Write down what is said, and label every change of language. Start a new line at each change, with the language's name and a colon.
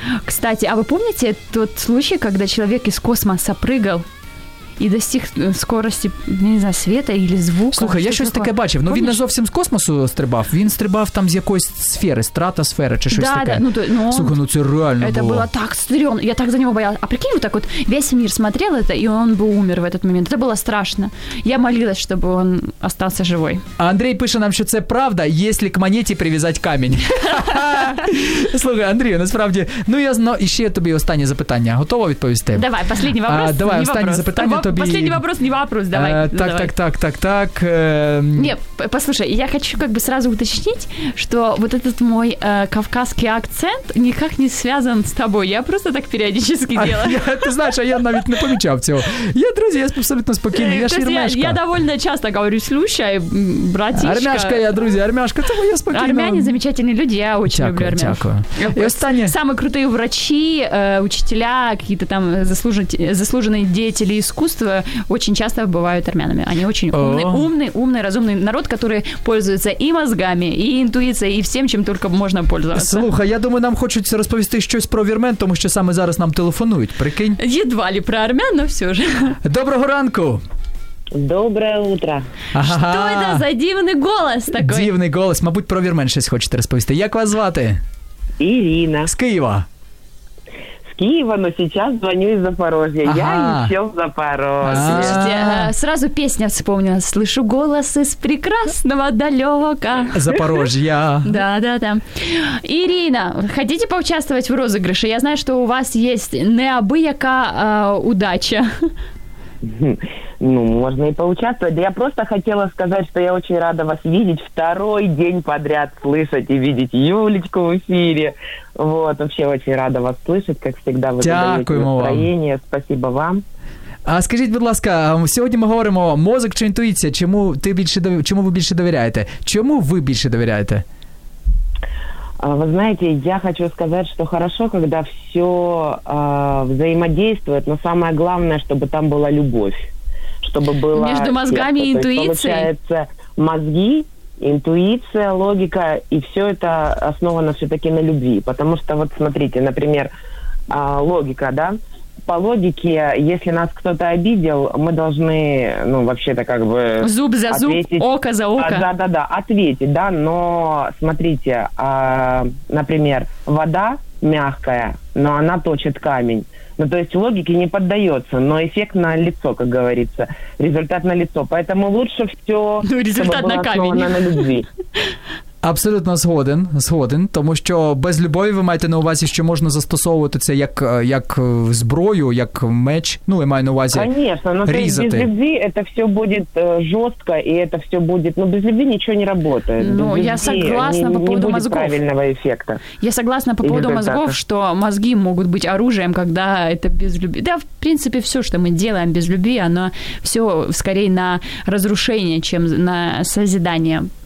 Russian: Кстати, а вы помните тот случай, когда человек из космоса прыгал? І достиг скорості, не знаю, света или звука.
Ukrainian: Слухай, я щось таке бачив. Ну, він не зовсім з космосу стрибав. Він стрибав там з якоїсь сфери, стратосфери чи щось таке. Слухай, ну це реально було. Це було так стрьомно. Я так за нього боялась.
Russian: А прикинь, так от весь мир смотрел это, і он би умер в этот момент.
Ukrainian: Це було страшно. Я молилась, щоб он остався живой. Андрій пише нам, що це правда,
Russian: если к монете привязать камень.
Ukrainian: Слухай, Андрій, насправді, ну я знаю, ще тобі останнє запитання. Готова відповісти? Давай, останній вопрос. Давай, останнє запитання.
Russian: Последний вопрос, не вопрос, давай. Так. Нет, послушай, я хочу как бы сразу уточнить, что вот этот мой кавказский акцент никак не связан с тобой. Я просто так периодически делаю. Ты знаешь,
Ukrainian: а я навіть не помечал цього.
Russian: Я, друзья, я абсолютно спокойный, я ж армяшка. Я довольно часто говорю, слушай, братишка. Армяшка я, друзья, армяшка, это моя спокойная. Армяне замечательные люди, я очень люблю армян.
Ukrainian: Дякую.
Russian: Самые крутые врачи, учителя, какие-то там заслуженные деятели искусство очень часто бывают армянами. Они очень умный, разумный народ, который пользуется и мозгами, и интуицией, и всем, чем только можно пользоваться.
Ukrainian: Слухай, я думаю, нам хочуть розповісти щось про вірмен, тому що саме зараз нам телефонують, прикинь.
Russian: Едва ли про армян, но все же.
Ukrainian: Доброго ранку!
Russian: Доброе утро! Ага. Что это за дивный голос такой?
Ukrainian: Дивный голос, мабуть, про вірмен щось хочете розповісти. Як вас звати? Ирина. З Києва.
Russian: Києва, но сейчас звоню из Запорожья. Ага. Я еще в Запорожье. Сразу песня вспомнила. Слышу голос из прекрасного далека. Запорожья. Да. Ирина, хотите поучаствовать в розыгрыше? Я знаю, что у вас есть необыякая удача. Ну, можно и поучаствовать. Да я просто хотела сказать, что я очень рада вас видеть. Второй день подряд слышать и видеть Юлечку в эфире. Вот, вообще очень рада вас слышать, как всегда. Вы
Ukrainian: Дякуємо
Russian: даете настроение. Вам. Спасибо вам.
Ukrainian: А скажіть, будь ласка, сьогодні ми говоримо мозок чи інтуїція? Чому ви більше довіряєте? Чому ви більше довіряєте?
Russian: Вы знаете, я хочу сказать, что хорошо, когда все взаимодействует, но самое главное, чтобы там была любовь, чтобы было между мозгами и интуицией. Получается, мозги, интуиция, логика, и все это основано все-таки на любви. Потому что, вот смотрите, например, логика, да, по логике, если нас кто-то обидел, мы должны, ну, вообще-то как бы... Зуб за ответить, зуб, око за око. Да-да-да, ответить, да, но смотрите, например, вода мягкая, но она точит камень. Ну, то есть логике не поддается, но эффект на лицо, как говорится, результат на лицо. Поэтому лучше все, ну, результат чтобы на было основано на любви.
Ukrainian: Абсолютно згоден, згоден, тому що без любові ви маєте на увазі, що можна застосовувати це як зброю, як меч. Ну, я маю на увазі.
Russian: Конечно, но
Ukrainian: різати.
Russian: Без любви это все будет жестко, и это все будет. Ну, без любви ничего не работает. Ну, без я согласна по поводу мозгов. Правильного эффекта. Я согласна по поводу мозгов, что мозги могут быть оружием, когда это без любви. Да, в принципе, все, что мы делаем без любви, оно все скорее на разрушение, чем на созидание.